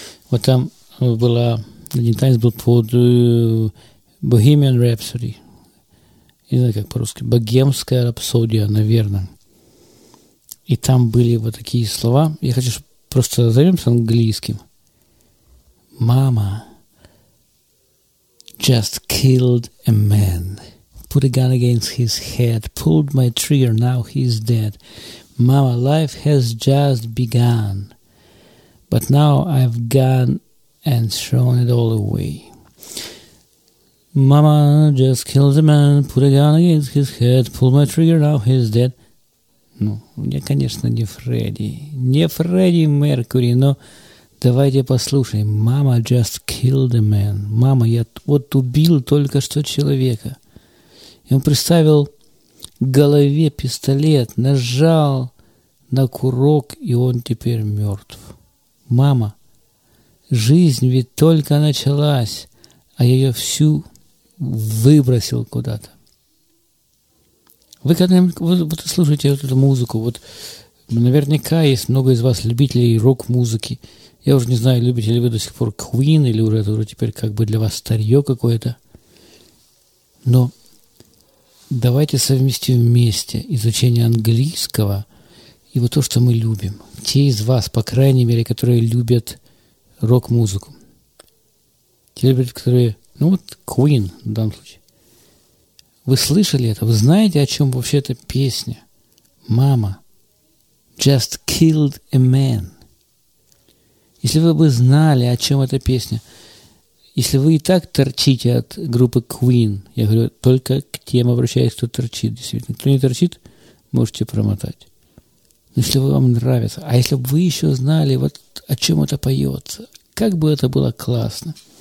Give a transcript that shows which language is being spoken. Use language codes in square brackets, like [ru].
[ru] Вот там была, один танец был под Bohemian Rhapsody. Не знаю, как по-русски. Богемская рапсодия, наверное. И там были вот такие слова. Я хочу, просто займемся английским. [en] Мама just killed a man. Put a gun against his head. Pulled my trigger, now he's dead. Mama, life has just begun. But now I've gone and thrown it all away. Mama just killed a man. Put a gun against his head. Pulled my trigger, now he's dead. [ru] Ну, я, конечно, не Фредди. Не Фредди Меркьюри, но давайте послушаем. [en] Mama just killed a man. [ru] Мама, я вот убил только что человека. И он приставил к голове пистолет, нажал на курок, и он теперь мертв. Мама, жизнь ведь только началась, а я ее всю выбросил куда-то. Вы когда-нибудь вот слушаете вот эту музыку, вот наверняка есть много из вас любителей рок-музыки. Я уже не знаю, любите ли вы до сих пор Queen, или уже это уже теперь как бы для вас старье какое-то. Но давайте совместим вместе изучение английского и вот то, что мы любим. Те из вас, по крайней мере, которые любят рок-музыку. Те любят, которые... Ну вот Queen в данном случае. Вы слышали это? Вы знаете, о чем вообще эта песня? [en] Мама just killed a man. [ru] Если вы бы знали, о чем эта песня... Если вы и так торчите от группы Queen, я говорю, только к тем обращаюсь, кто торчит, действительно. Кто не торчит, можете промотать. Но если вам нравится. А если бы вы еще знали, вот о чем это поется, как бы это было классно.